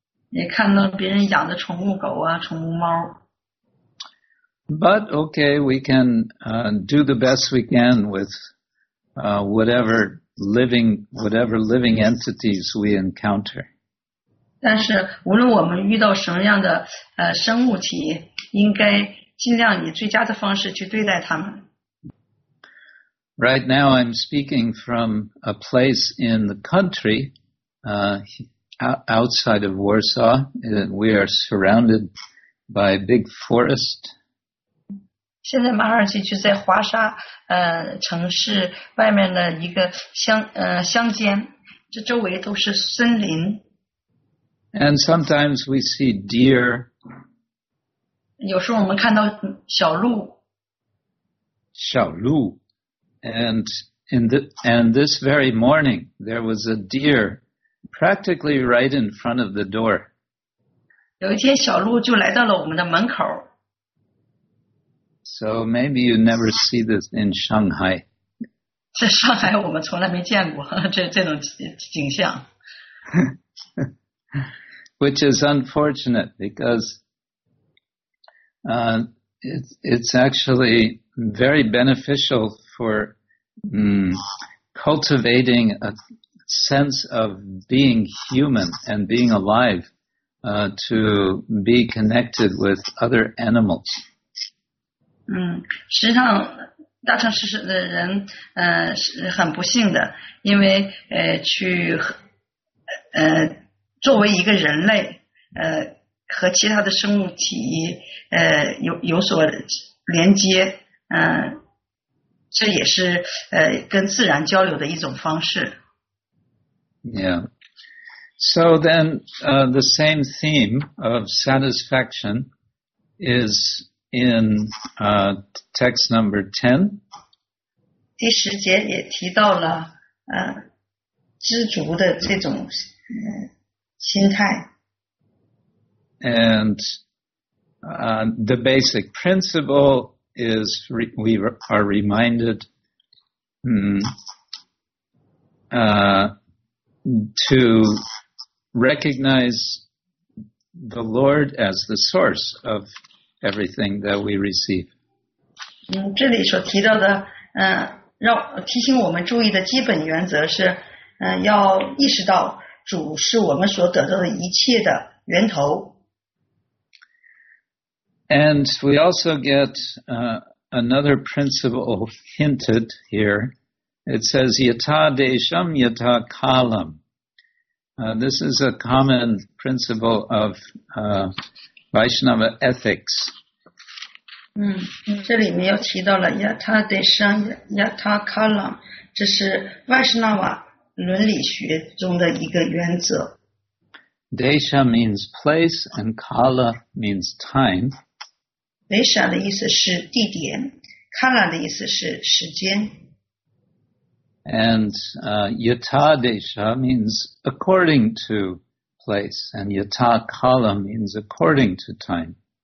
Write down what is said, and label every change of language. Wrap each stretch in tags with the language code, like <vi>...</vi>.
<zh>也看到别人养的宠物狗啊，宠物猫。</zh> <en>But okay, we can do the best we can with whatever living entities we encounter.</en> <zh>但是无论我们遇到什么样的生物体，应该。尽量以最佳的方式去对待他们。</zh> <en>Right now I'm speaking from a place in the country, outside of Warsaw. We are surrounded by big forest.</en> <zh>现在马上就在华沙城市外面的一个乡间，这周围都是森林。</zh> <en>And sometimes we see deer.</en> <zh>有时候我们看到小鹿。小鹿。</zh> <en>And this very morning, there was a deer practically right in front of the door.</en> <zh>有一天小鹿就来到了我们的门口。</zh> <en>So maybe you never see this in Shanghai.</en> <zh>在上海我们从来没见过这种景象。</zh> <en>Which is unfortunate because... It's actually very beneficial for cultivating a sense of being human and being alive to be connected with other animals.</en> <zh>实际上大城市的人是很不幸的，因为去作为一个人类和其他的生物体有所连接，这也是跟自然交流的一种方式。</zh> <en>Yeah. So then, the same theme of satisfaction is in text number 10.</en> <zh>第十节也提到了知足的这种心态。</zh> <en>And the basic principle is we are reminded to recognize the Lord as the source of everything that we receive.</en> <zh>这里所提到的让提醒我们注意的基本原则是要意识到主是我们所得到的一切的源头。</zh> <en>And we also get another principle hinted here. It says,</en> <sa>yata desham yata kalam.</sa> <en>This is a common principle of Vaishnava ethics.</en> <zh>这里面又提到了</zh> <sa>yata desham yata kalam,</sa> <zh>这是 Vaishnava 伦理学中的一个原则。</zh> <en>Desha means place and kala means time.</en> <zh>Desha 的意思是地点， kala 的意思是时间。</zh> <en>And yata desha means according to place, and yata kala means according to time.</en>